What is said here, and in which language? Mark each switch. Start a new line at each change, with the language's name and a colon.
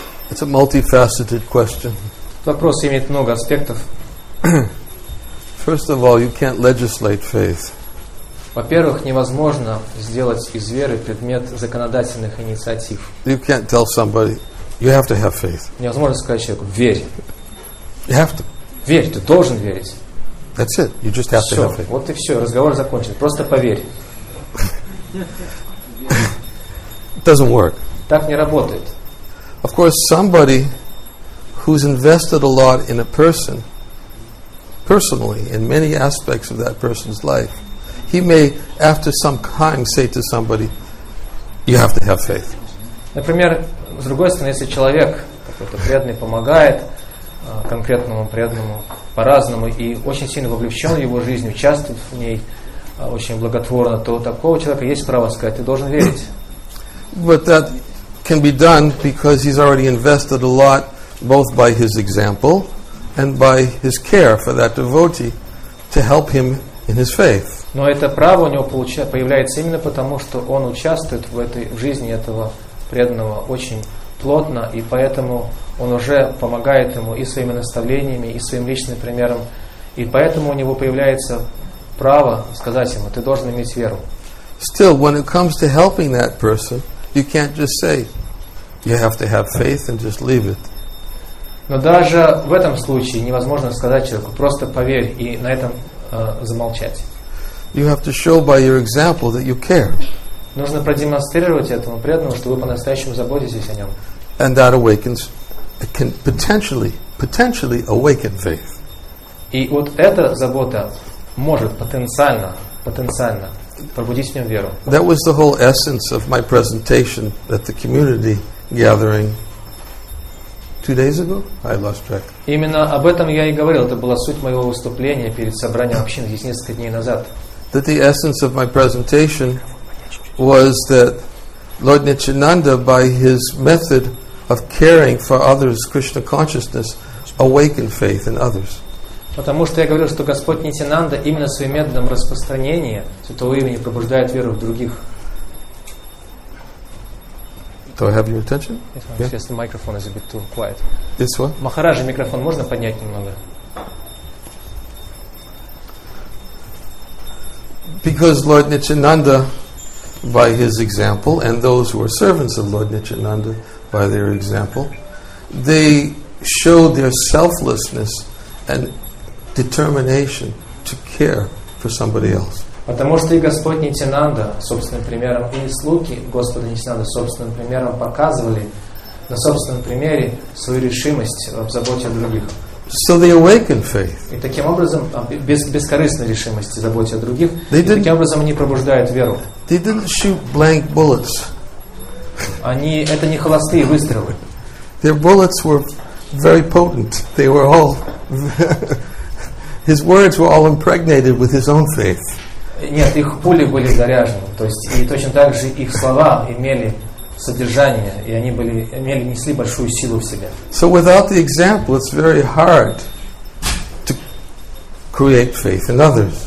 English: It's a multifaceted question.
Russian: Вопрос имеет много аспектов.
English: First of all, you can't legislate faith.
Russian: Во-первых, невозможно сделать из веры предмет законодательных инициатив.
English: You can't tell somebody you have to have faith.
Russian: Невозможно сказать человеку: верь.
English: You have to.
Russian: Верь, ты должен верить.
English: That's it. You just have to have faith.
Russian: Вот и все, разговор закончен. Просто поверь.
English: It doesn't work.
Russian: Так не работает.
English: Of course, somebody who's invested a lot in a person, personally, in many aspects of that person's life, he may, after some time, say to somebody, "You have to have faith."
Russian: Например, с другой стороны, если человек какой-то преданный помогает конкретному преданному по-разному и очень сильно вовлечен в его жизнь, участвует в ней очень благотворно, то такого человека есть право сказать: "Ты должен верить."
English: But that can be done because he's already invested a lot, both by his example and by his care for that devotee, to help him in his faith.
Russian: Но это право у него появляется именно потому, что он участвует в этой в жизни этого преданного очень плотно, и поэтому он уже помогает ему и своими наставлениями, и своим личным примером, и поэтому у него появляется право сказать ему: ты должен иметь веру.
English: Still, when it comes to helping that person, you can't just say, you have to have faith and just leave it.
Russian: Но даже в этом случае невозможно сказать человеку: просто поверь, и на этом замолчать.
English: You have to show by your example that you care.
Russian: Нужно продемонстрировать этому преданному, что вы по-настоящему заботитесь о нем.
English: And that awakens, it can potentially awaken faith.
Russian: И вот эта забота может потенциально пробудить в нем веру.
English: That was the whole essence of my presentation at the community gathering 2 days ago. I lost track.
Russian: Именно об этом я и говорил. Это была суть моего выступления перед собранием общин здесь несколько дней назад.
English: That the essence of my presentation was that Lord Nityananda, by his method of caring for others' Krishna consciousness, awakened faith in others.
Russian: Потому что я говорил, что Господь Нитянанда именно своим методом распространения Святого Имени пробуждает веру в других.
English: Do I have your attention? Yes, yeah. The microphone is a bit too quiet. It's what?
Russian: Махараджи, микрофон можно поднять немного?
English: Because Lord Nityananda, by his example, and those who are servants of Lord Nityananda, by their example, they showed their selflessness and determination to care for somebody else.
Russian: Потому что и Господь Нитянанда собственным примером, и слуги Господа Нитянанда собственным примером показывали на собственном примере свою решимость в заботе о других.
English: So they awakened faith.
Russian: И таким образом, бескорыстной решимости в заботе о других, таким образом они пробуждают веру.
English: They didn't shoot blank bullets.
Russian: Они, это не холостые выстрелы.
English: Their bullets were very potent. They were all... His words were all impregnated with his own faith.
Russian: Нет, их пули были заряжены. То есть, и точно так же их слова имели содержание, и они были, имели, несли большую силу в себе.
English: So without the example, it's very hard to create faith in others.